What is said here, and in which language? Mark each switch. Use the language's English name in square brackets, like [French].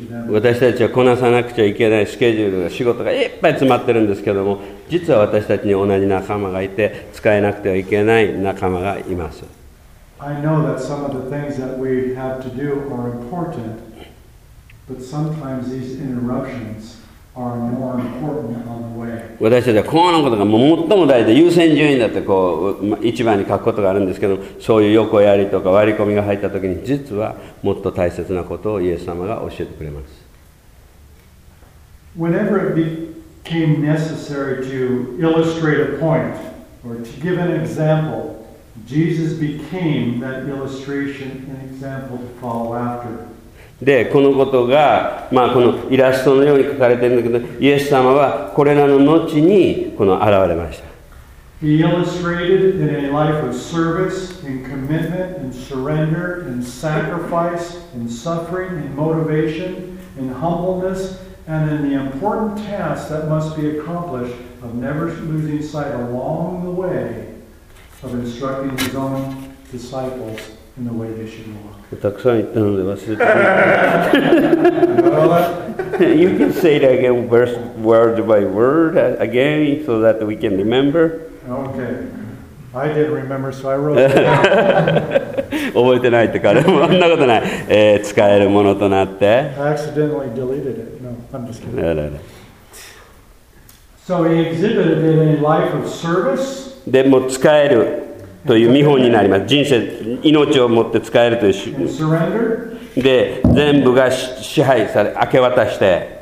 [Japanese] 私たちはこなさなくちゃいけないスケジュールが仕事がいっぱい詰まってるんですけども実は私たちに同じ仲間がいて使えなくてはいけない仲間がいます。 [English] I know that some of the things that we have to do are important, but sometimes these interruptions are more important on the way. [Japanese] 私たちはこのことが最も大事で優先順位だってこう一番に書くことがあるんですけど、そういう横やりとか割り込みが入った時に実はもっと大切なことをイエス様が教えてくれます。 [English] Whenever it became necessary to illustrate a point or to give an example, Jesus became that illustration and example to follow after. [Japanese] で、このことが、まあ、このイラストのように書かれているんだけど、イエス様はこれらの後にこの現れました。 [English] He illustrated in a life of service and commitment and surrender and sacrifice and suffering and motivation and humbleness. And in the important task that must be accomplished of never losing sight along the way of instructing his own disciples in the way they should walk. [Japanese] たくさん言ったので忘れてた。 [English] You can say it again, verse word by word again, so that we can remember. Okay, I did remember, so I wrote it down. [Japanese] 覚えてないって彼もそんなことない。使えるものとなって。 [English] I accidentally deleted it. I'm just kidding. So he exhibited in a life of service. [Japanese] でも使えるという見本になります。人生、命を持って使えるという。 [English] And surrender. [Japanese] で、全部が支配され、明け渡して。